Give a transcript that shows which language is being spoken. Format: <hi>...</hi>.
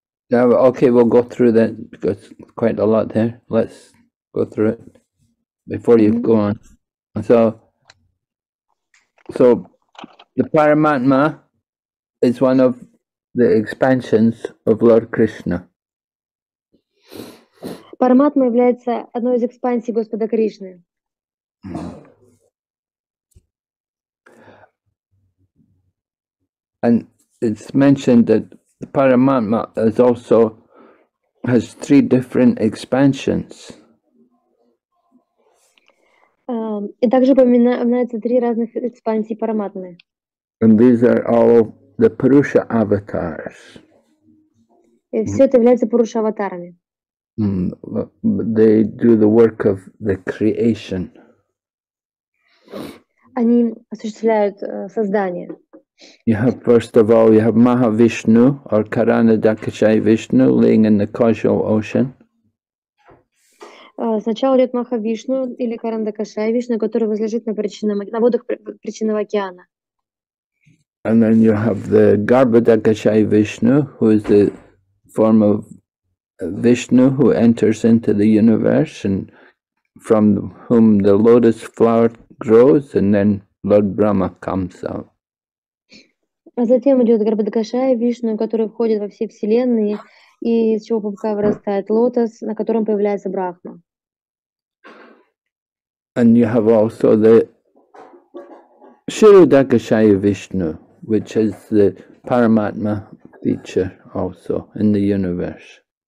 <en>Yeah, okay, we'll go through that because it's quite a lot there. Let's go through it before you go on. So the Paramatma is one of the expansions of Lord Krishna.</en> <ru>Параматма является одной из экспансий Господа Кришны.</ru> <en>And it's mentioned that the Paramatma is also has three different expansions.</en> <ru>И также упоминаются три разных экспансии Параматмы.</ru> <en>And these are all the Purusha avatars.</en> <ru>И все это является Пуруша аватарами.</ru> <en>They do the work of the creation.</en> <ru>Они осуществляют создание.</ru> <en>You have, first of all, you have Mahavishnu or Karanadakshay Vishnu laying in the causal ocean.</en> <ru>Сначала идет Махавишну или Карандакашай Вишну, который возлежит на водах причинного океана.</ru> <en>And then you have the Garbhadakshay Vishnu, who is the form of Vishnu who enters into the universe and from whom the lotus flower grows, and then Lord Brahma comes out.</en> <ru>А затем идет Гарбхадакшая Вишну, который входит во все вселенные, и из чего пупка вырастает лотос, на котором появляется Брахма.</ru> <en>And you have also the Shirodakshaya Vishnu, which is the Paramatma feature also in the universe.</en>